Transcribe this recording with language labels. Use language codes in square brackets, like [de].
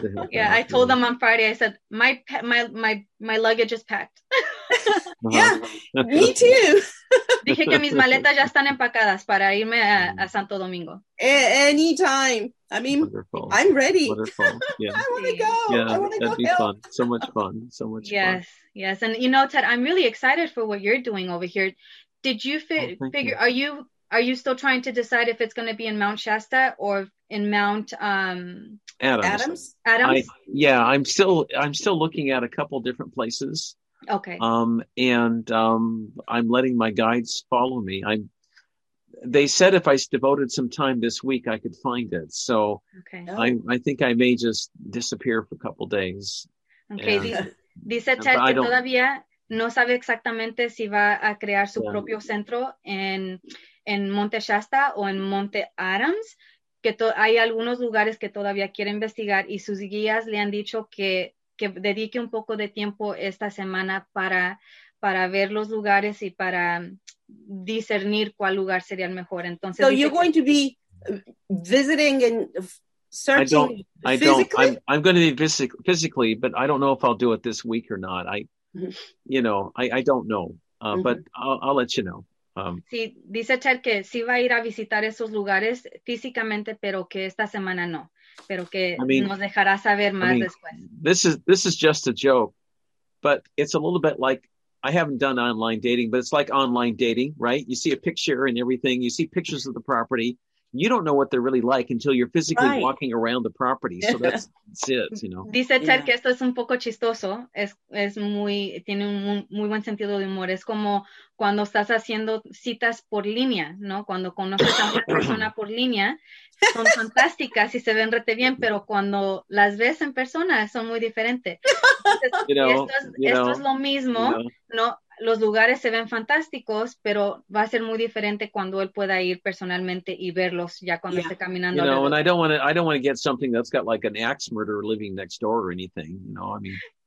[en] Yeah, I told them on Friday. I said my luggage is packed. Yeah, me too. [es] Dije que mis maletas ya están empacadas para irme a Santo Domingo. [en] Anytime. I mean, wonderful. I'm ready. Wonderful. Yeah. I want to go. Yeah, I want to go. That'd be fun. So much fun. So much fun. Yes. Yes. And you know, Ted, I'm really excited for what you're doing over here. Did you figure? You. Are you still trying to decide if it's going to be in Mount Shasta or in Mount Adams? I'm still looking at a couple different places. Okay. I'm letting my guides follow me. They said if I devoted some time this week, I could find it. So okay. I think I may just disappear for a couple days. Okay. [es] Dice Ted que todavía no sabe exactamente si va a crear su propio centro en Monte Shasta o en Monte Adams. Que hay algunos lugares que todavía quiere investigar y sus guías le han dicho que dedique un poco de tiempo esta semana para ver los lugares y para discernir cuál lugar sería el mejor. Entonces, [en] so you're going to be visiting and searching physically? I'm going to be physically, but I don't know if I'll do it this week or not. I don't know, mm-hmm. but I'll let you know. [es] Sí, dice Ted que sí va a ir a visitar esos lugares físicamente, pero que esta semana no. Pero que nos dejará saber más después. [en] This is just a joke, but it's a little bit like I haven't done online dating, but it's like online dating, right? You see a picture and everything. You see pictures of the property. You don't know what they're really like until you're physically right. walking around the property. So that's it, you know. [es] Dice Ted que esto es un poco chistoso. Es muy, tiene un muy buen sentido de humor. Es como cuando estás haciendo citas por línea, ¿no? Cuando conoces a una persona por línea, son fantásticas y se ven rete bien, pero cuando las ves en persona son muy diferentes. Esto es lo mismo, ¿no? Los lugares se ven fantásticos, pero va a ser muy diferente cuando él pueda ir personalmente y verlos ya cuando esté caminando. [en] You know, and I don't want to get something that's got like an axe murderer living next door or anything, you know, I mean.